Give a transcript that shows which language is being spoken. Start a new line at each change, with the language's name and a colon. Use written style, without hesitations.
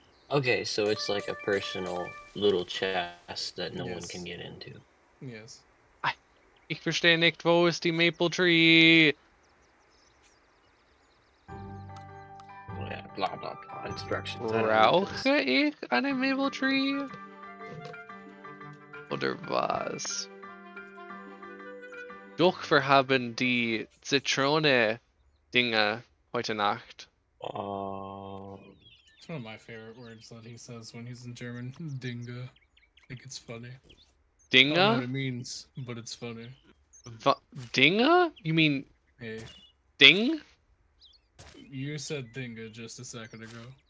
English: Okay, so it's like a personal little chest that no one can get into. Yes.
German: Ich verstehe nicht, wo ist die Maple Tree?
English: Blah blah blah instructions.
German: Brauche ich eine Maple Tree? Oder was? Doch, wir haben die Zitrone-Dinge heute Nacht.
English: It's one of my favorite words that he says when he's in German. Dinge. I think it's funny.
German: Dinge?
English: I don't know what it means, but it's funny. Dinge? You mean. Hey.
German: Ding?
English: You said Dinge just a second ago.